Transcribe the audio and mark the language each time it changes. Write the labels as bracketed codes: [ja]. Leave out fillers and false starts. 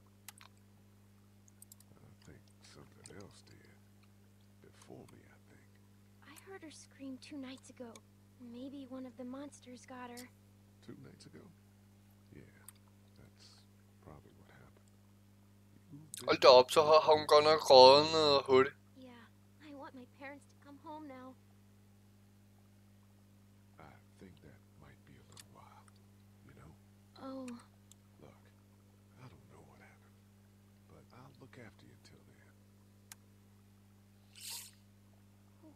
[en] I think something else did. Before me, I think. I heard her scream 2 nights ago. Maybe one of the monsters got her. 2 nights ago? Yeah, that's probably what happened. [da] Hold da op, så har hun godt nok rådet noget hurtigt. [en] Yeah, I want my parents to come home now. I think that might be a little while, you know? Oh. Look, I don't know what happened, but I'll look after you till then.